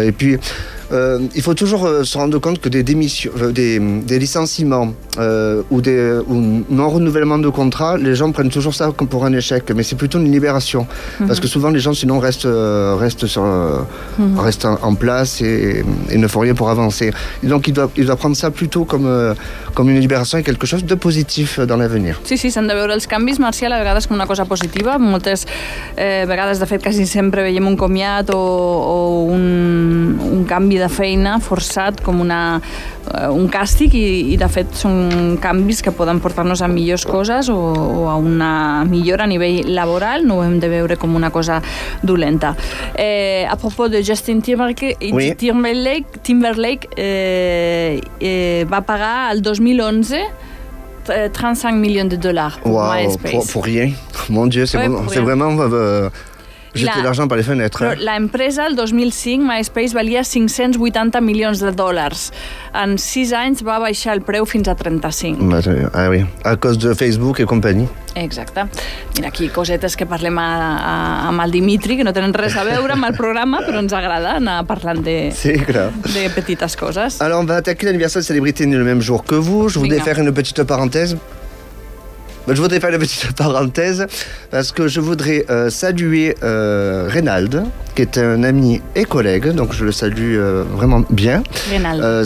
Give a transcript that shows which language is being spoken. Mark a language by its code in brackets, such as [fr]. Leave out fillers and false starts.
[fr] Et puis, il faut toujours se rendre compte que des licenciements ou non-renouvellement de contrat, les gens prennent toujours ça comme pour un échec, mais c'est plutôt une libération. Mm-hmm. Parce que souvent, les gens, sinon, restent en place et ne font rien pour avancer. Et donc, il doit prendre ça plutôt comme une libération et quelque chose de positif dans l'avenir. [ca] Sí, sí, s'han de veure els canvis, Marcial, a vegades com una cosa positiva. Moltes vegades, de fet, quasi sempre veiem un comiat o un canvi de feina forçat com un càstig i de fet, són canvis que poden portar-nos a millors coses o a una millora a nivell laboral. No ho hem de veure com una cosa dolenta. [fr] A propos de [ca] Justin Timberlake va pagar el 2011 35 [fr] millions de dollars pour [ca] MySpace. [fr] Pour rien. Mon Dieu, c'est vraiment... jeter l'argent par les fenêtres. Hein? [ca] L'empresa, el 2005, MySpace, valia 580 milions de dòlars. En 6 anys va baixar el preu fins a 35. [fr] Ah oui, à cause de Facebook et compagnie. [ca] Exacte. Mira, aquí cosetes que parlem amb el Dimitri, que no tenen res a veure amb el programa, però ens agrada anar parlant de petites coses. [fr] Alors, on va attaquer l'anniversaire de célébrité le même jour que vous. Je voulais faire une petite parenthèse. Je voudrais faire une petite parenthèse parce que je voudrais saluer Reynald, qui est un ami et collègue, donc je le salue vraiment bien. Reynald.